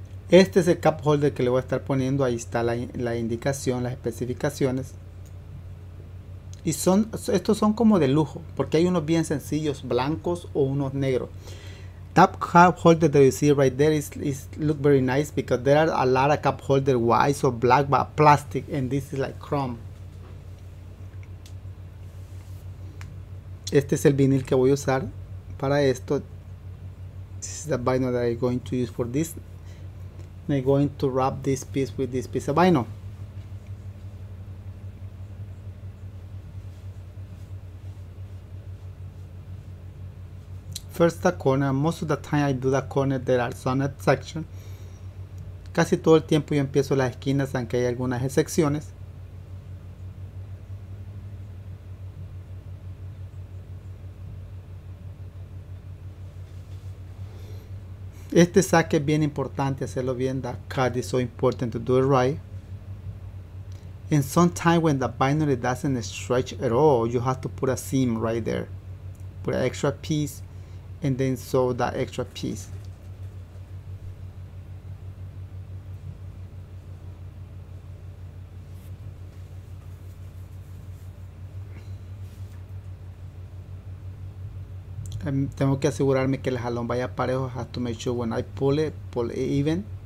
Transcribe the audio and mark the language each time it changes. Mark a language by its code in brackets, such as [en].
[es] Este es el cup holder que le voy a estar poniendo. Ahí está la indicación, las especificaciones. Y son, estos son como de lujo, porque hay unos bien sencillos, blancos o unos negros. [en] That cup holder that you see right there is look very nice because there are a lot of cup holder white or black but plastic, and this is like chrome. [es] Este es el vinil que voy a usar para esto. [en] This is the vinyl that I'm going to use for this. I'm going to wrap this piece with this piece of vinyl. First the corner, most of the time I do the corner that are sonnet section. [es] Casi todo el tiempo yo empiezo las esquinas, aunque hay algunas excepciones. Este saque es bien importante hacerlo bien. [en] That cut is so important to do it right. And sometimes when the vinyl doesn't stretch at all, you have to put a seam right there. Put an extra piece and then sew that extra piece. [es] Tengo que asegurarme que el jalón vaya parejo. [en] I have to make sure when I pull it even.